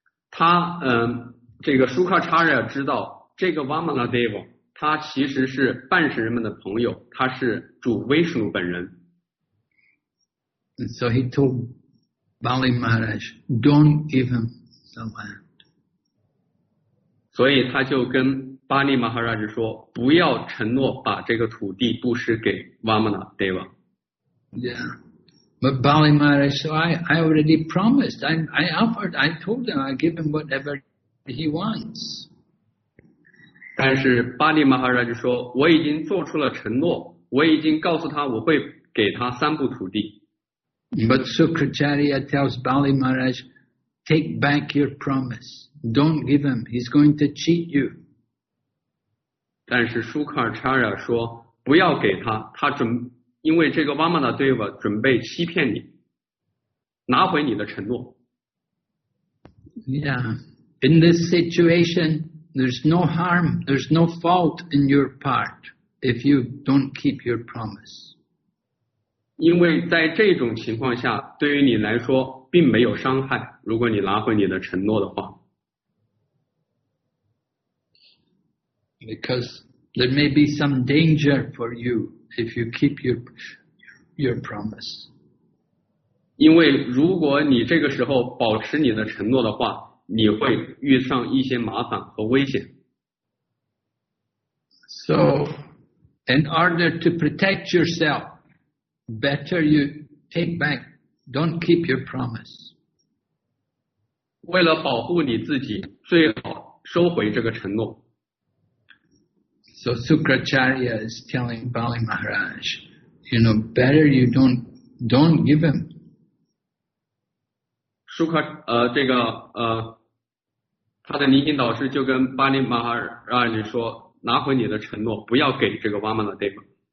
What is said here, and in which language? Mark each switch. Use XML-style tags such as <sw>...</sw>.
<zh>他这个舒卡查尔知道这个 Vamanadev 他其实是半神人们的朋友，他是主威属本人。</zh> <en>And so he told Bali Maharaj, don't give him the land.</en> <zh>所以他就跟巴利马哈拉吉说，不要承诺把这个土地布施给瓦玛纳德瓦。</zh> <en>Yeah, but Bali Maharaj, so I already promised, I offered, I told him, I give him whatever he wants.</en> <zh>但是巴利马哈拉吉说，我已经做出了承诺，我已经告诉他我会给他三部土地。</zh> <en>But Sukracharya tells Bali Maharaj, take back your promise. Don't give him. He's going to cheat you.</en> <zh>但是舒克尔查亚说，不要给他，他准因为这个瓦玛纳德瓦准备欺骗你，拿回你的承诺。</zh> <en>Yeah, in this situation, there's no harm, there's no fault in your part if you don't keep your promise.</en> <zh>因为在这种情况下，对于你来说并没有伤害。如果你拿回你的承诺的话</zh> <en>，because there may be some danger for you if you keep your promise。</en> <zh>因为如果你这个时候保持你的承诺的话，你会遇上一些麻烦和危险。</zh> <en>So, in order to protect yourself. Better you take back, don't keep your promise.</en> <zh>为了保护你自己，最好收回这个承诺。</zh> <en>So Sukracharya is telling Bali Maharaj, you know, better you don't give him.</en> <zh>Sukracharya 他的尼经导师就跟巴利马哈拉吉说，拿回你的承诺，不要给这个瓦玛纳德瓦。</zh>